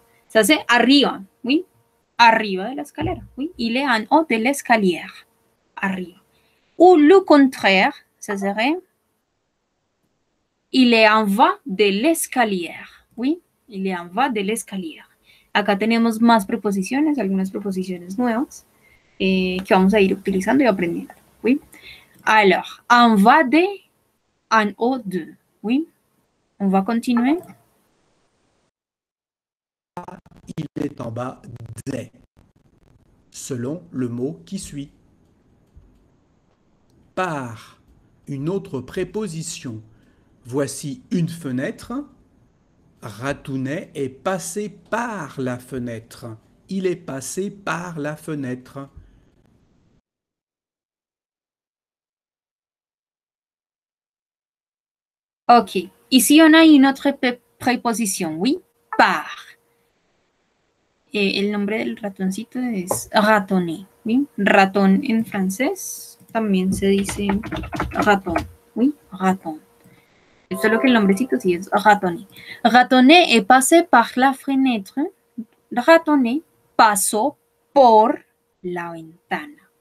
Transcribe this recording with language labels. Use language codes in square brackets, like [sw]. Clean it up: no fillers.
[fr] Ça c'est « arriba », oui. « Arriba de l'escalier », oui. Il est en haut de l'escalier. « Arriba ». Ou le contraire, ça serait... Il est en bas de l'escalier. Oui, il est en bas de l'escalier. [es] Acá tenemos más preposiciones, algunas preposiciones nuevas que vamos a ir utilizando y aprendiendo. [fr] Oui. Alors, en bas de, en haut de. Oui, on va continuer. Il est en bas de, selon le mot qui suit. Par, une autre préposition. Voici une fenêtre. Ratounet est passé par la fenêtre. Il est passé par la fenêtre. OK. Ici, on a une autre préposition, oui? Par. Et le nom du ratoncito est ratonné. Oui? Raton en français, [es] también se dice raton. [fr] Oui? Raton. [es] Solo que el nombrecito sí es ratoné. [fr] Ratoné es pasé par la fenêtre. [es] Ratoné pasó por la ventana.